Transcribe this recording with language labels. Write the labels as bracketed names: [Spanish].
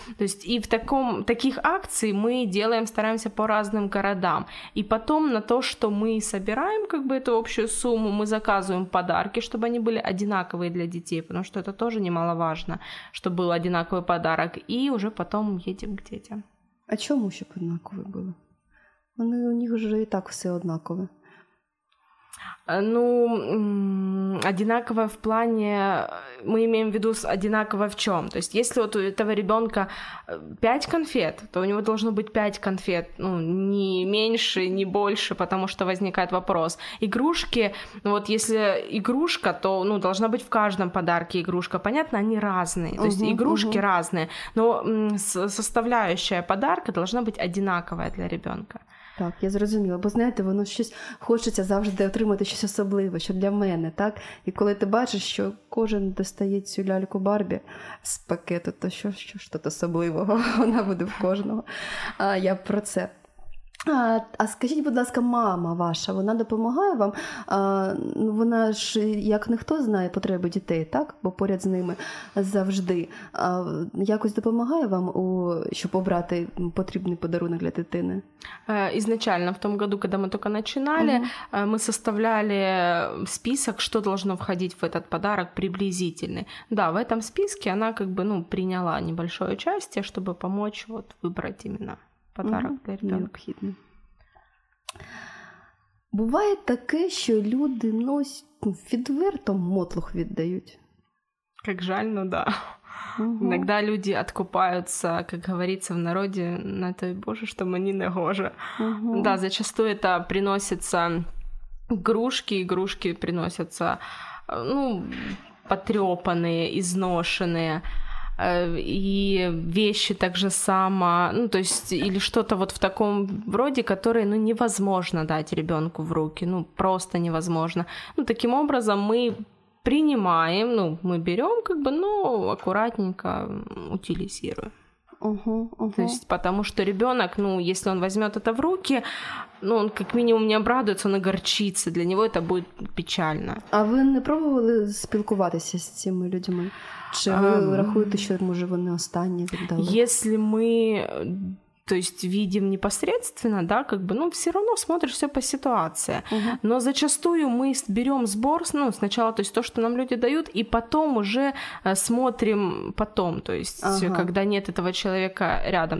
[Russian] То есть и в таких акций мы делаем, стараемся по разным городам. И потом на то, что мы собираем как бы эту общую сумму, мы заказываем подарки, чтобы они были одинаковые для детей, потому что это тоже немаловажно, чтобы был одинаковый подарок. И уже потом едем к детям. [Ukrainian] А чому, щоб однакові були? У них же и так все однакові. [Russian] Ну, одинаково в плане, мы имеем в виду одинаково в чем? То есть, если вот у этого ребенка 5 конфет, то у него должно быть 5 конфет, ну, не меньше, не больше, потому что возникает вопрос. Игрушки, ну, вот если игрушка, то, ну, должна быть в каждом подарке игрушка. Понятно, они разные, то есть игрушки разные, но составляющая подарка должна быть одинаковая для ребенка. [Ukrainian] Так, я зрозуміла, бо знаєте, воно щось хочеться завжди отримати щось особливе, що для мене, так? І коли ти бачиш, що кожен достає цю ляльку Барбі з пакету, то що, що ж тут особливого вона буде в кожного? А я про це. А скажіть, будь ласка, мама ваша, вона допомагає вам? Вона ж, як ніхто знає потреби дітей, так? Бо поряд з ними завжди. Якось допомагає вам, щоб обрати потрібний подарунок для дитини? Ізначально, в тому году, коли ми тільки починали, ми составляли список, що должно входити [Russian] в этот подарок приблизительно. Да, в этом списке [Ukrainian] вона якби, [Russian] ну, прийняла небольшое участие, щоб помочь вот выбрать именно подарок для ребенка. [Ukrainian] Необхідний. Буває таке, що люди, ну, відверто мотлух віддають. Як жаль, ну да. [Russian] Иногда люди откупаются, как говорится в народе, на то и боже, что мне не гоже. Да, зачастую это приносятся игрушки, игрушки приносятся, ну, потрёпанные, изношенные. И вещи так же само, ну, то есть, или что-то вот в таком роде, которое, ну, невозможно дать ребенку в руки, ну, просто невозможно. Ну, таким образом мы принимаем, ну, мы берем, как бы, ну, аккуратненько утилизируем. То есть, потому что ребенок, ну, если он возьмет это в руки, ну, он как минимум не обрадуется, он огорчится, для него это будет печально. А вы не пробовали [Ukrainian] спілкуватися [Russian] с этими людьми? [Ukrainian] Чи ви рахуєте, що, може, вони останні віддали? [Russian] Если мы, то есть, видим непосредственно, да, как бы, ну, все равно смотришь все по ситуации. Но зачастую мы берем сбор, ну, сначала, то есть, то, что нам люди дают, и потом уже смотрим потом, то есть, когда нет этого человека рядом.